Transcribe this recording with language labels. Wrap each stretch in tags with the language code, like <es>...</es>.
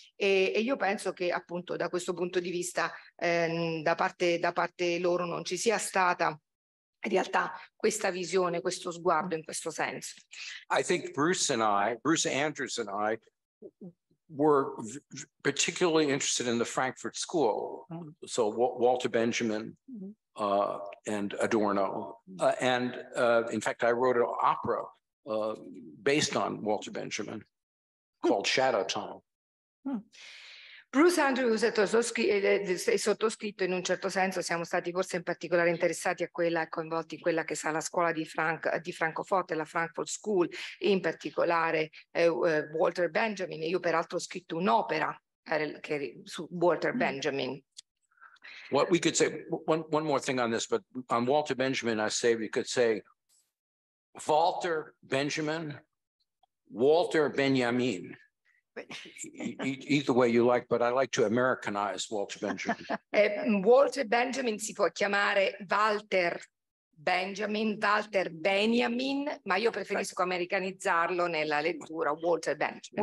<it>E io penso che, appunto, da questo punto di vista, da parte loro non ci sia stata in realtà questa visione, questo sguardo in questo senso.</it> <en>I think Bruce Andrews and I were particularly interested in the Frankfurt School, mm-hmm. so Walter Benjamin mm-hmm. And Adorno, in fact I wrote an opera based on Walter Benjamin called Shadow Tunnel.</en> <it>Bruce Andrews è sottoscritto in un certo senso, siamo stati forse in particolare interessati a quella, coinvolti in quella che sarà la scuola di Francoforte, la Frankfurt School, in particolare Walter Benjamin. Io peraltro ho scritto un'opera su Walter Benjamin.</it> <en>What we could say, one more thing on this, but on Walter Benjamin, I say we could say Walter Benjamin, Walter Benjamin. Either way you like, but I like to Americanize Walter Benjamin.</en> <it>Walter Benjamin si può chiamare Walter Benjamin, Walter Benjamin, ma io preferisco americanizzarlo nella lettura Walter Benjamin.</it>